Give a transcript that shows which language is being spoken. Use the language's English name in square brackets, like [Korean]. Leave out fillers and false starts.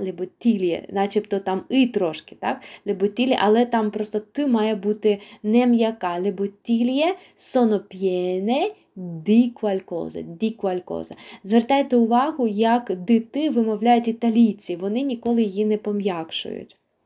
[Italian] Le bottiglie, [Ukrainian] начебто там і трошки, так? Le bottiglie, але там просто ти має бути не м'яка. [Italian] Le bottiglie sono piene di qualcosa, di qualcosa. [Ukrainian] Звертайте увагу, як дити вимовляють італійці, вони ніколи її не пом'якшують.